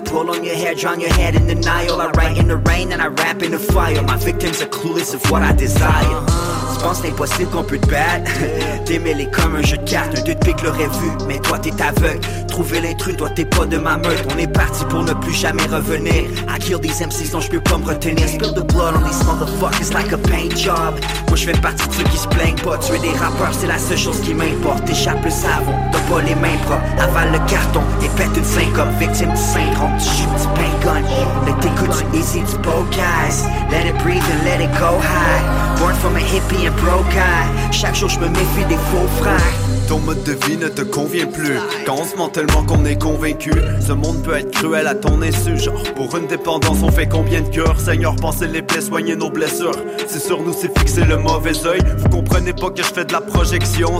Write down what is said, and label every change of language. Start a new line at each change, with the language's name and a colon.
English: Pull on your hair, drown your head in denial. I write in the rain and I rap in the fire. My victims are clueless of what I desire.
French: Je pense que c'est impossible qu'on peut te battre. Démêler comme un jeu de cartes. Un 2 de pique l'aurait vu, mais toi t'es aveugle. Trouver l'intrus, toi t'es pas de ma meute. On est parti pour ne plus jamais revenir.
English: I kill these MCs
French: dont je peux pas me retenir.
English: Spill the blood on these motherfuckers like a paint job.
French: Moi je fais partie de ceux qui se plaignent pas. Tuer des rappeurs, c'est la seule chose qui m'importe. T'échappe le savon, t'as pas les mains propres. Avale le carton et pète une syncope. Victime du syndrome, tu shoot du paint gun. Mais t'écoutes du easy, du podcast.
English: Let it breathe and let it go high. Born from a hippie and broke eye.
French: Chaque jour je me méfie des faux frères. Ton mode de vie ne te convient plus. Quand on se ment tellement qu'on est convaincu. Ce monde peut être cruel à ton insu. Genre pour une dépendance on fait combien de cœurs. Seigneur pensez les plaies, soignez nos blessures. C'est sur nous c'est fixer le mauvais œil. Vous comprenez pas que je fais de la projection.